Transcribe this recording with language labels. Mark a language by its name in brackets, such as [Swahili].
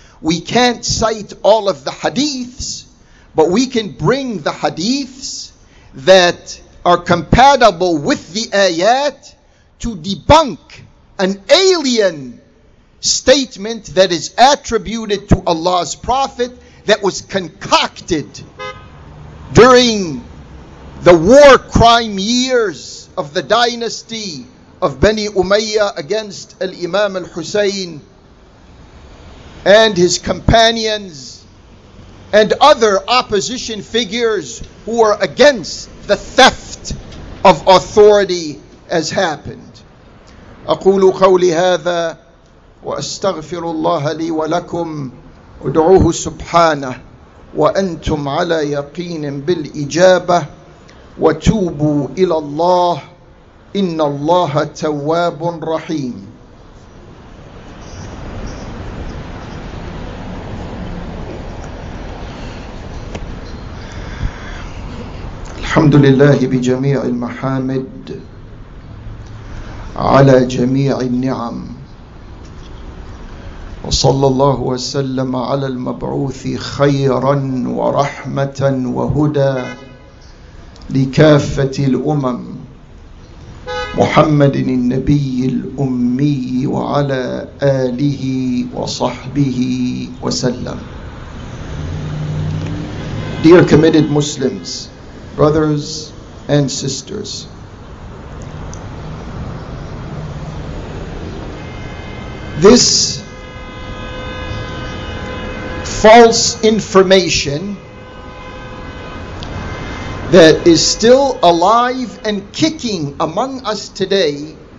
[English] We can't cite all of the hadiths, but we can bring the hadiths that are compatible with the ayat to debunk an alien statement that is attributed to Allah's Prophet that was concocted during the war crime years of the dynasty of Bani Umayyah against Al-Imam Al-Husayn and his companions and other opposition figures who were against the theft of authority as happened. [Arabic] أقول قولي هذا وأستغفر الله لي ولكم أدعوه سبحانه وأنتم على يقين بالإجابة وتوبوا إلى الله إن الله تواب رحيم. الحمد لله بجميع المحامد على جميع النعم وصلى الله وسلم على المبعوث خيرا ورحمة وهدى لكافة الأمم محمد النبي الأمي وعلى آله وصحبه وسلم. [English] Dear committed Muslims, brothers and sisters, this false information that is still alive and kicking among us today,